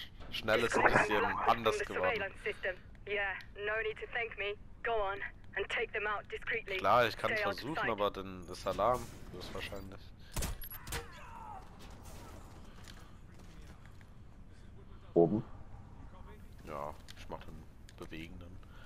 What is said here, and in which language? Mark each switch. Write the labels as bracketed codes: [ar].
[de] Schnell ist ein bisschen anders geworden. [en] Yeah, no need to thank me. Go on and take them out discreetly. [de] Klar, ich kann es versuchen, aber dann ist Alarm höchstwahrscheinlich. Oben? Ja, ich mach den bewegenden.